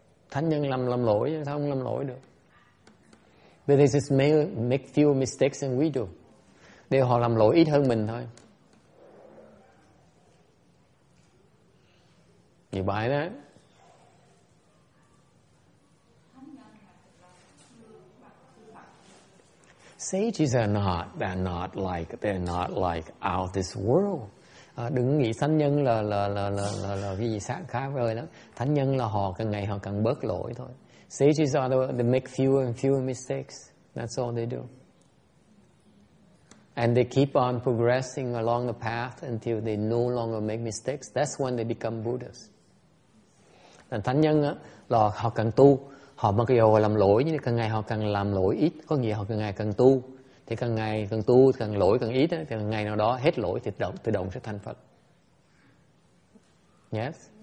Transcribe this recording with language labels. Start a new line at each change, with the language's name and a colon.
Vietnamese: Thánh nhân làm lỗi, sao không làm lỗi được?
English: But they just make few mistakes than we do.
Vietnamese: Để họ làm lỗi ít hơn mình thôi. Như bài đó.
English: Sages are not like, they're not like out of this world.
Vietnamese: Đừng nghĩ thánh nhân là cái gì sáng khác rồi đó. Thánh nhân là họ càng ngày họ càng bớt lỗi thôi.
English: Sages are they make fewer and fewer mistakes. That's all they do. And they keep on progressing along the path until they no longer make mistakes. That's when they become Buddhas.
Vietnamese: Thánh nhân là họ càng tu, họ mặc dù làm lỗi, nhưng càng ngày họ càng làm lỗi ít, có nghĩa họ càng ngày càng tu. Thì càng ngày càng tu, càng lỗi càng ít, thì ngày nào đó hết lỗi thì tự động sẽ thành Phật.
English: Yes?